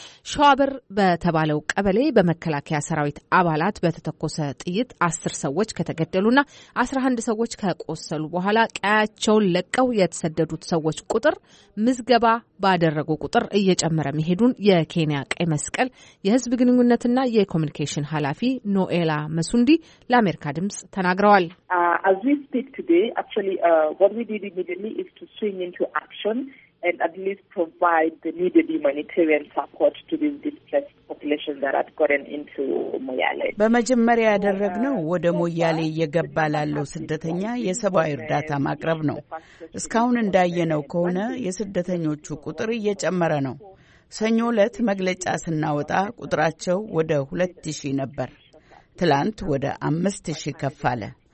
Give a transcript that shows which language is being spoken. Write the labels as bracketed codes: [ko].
[am] ሸዋብር በተባለው ቀበሌ በመከላከያ ሰራዊት አባላት በተተኮሰ ጥይት 10 ሰዎች ከተገደሉና 11 ሰዎች ከቆሰሉ በኋላ ቀያቸውን ለቀው የተሰደዱት ሰዎች ቁጥር ምዝገባ ባደረጉ ቁጥር እየጨመረ መሄዱን የኬንያ ቀይ መስቀል የህዝብ ግንኙነትና የኮሙኒኬሽን ኃላፊ ኖኤላ መሱንዲ ለአሜሪካ ድምጽ ተናግረዋል። [en] As we speak today, actually, what we did immediately is to swing into action and at least provide the needed humanitarian support to this displaced population that had gotten into Moyale. [am] በመጀመሪያ ያደረግነው ወደ ሞያሌ የገባ ላለው ስደተኛ የሰብአዊ እርዳታ ማቅረብ ነው። እስካሁን እንዳየነው ከሆነ የስደተኞቹ ቁጥር እየጨመረ ነው። ሰኞ ዕለት መግለጫ ስናወጣ ቁጥራቸው ወደ 2000 ነበር። ትላንት ወደ 5000 ከፍ አለ።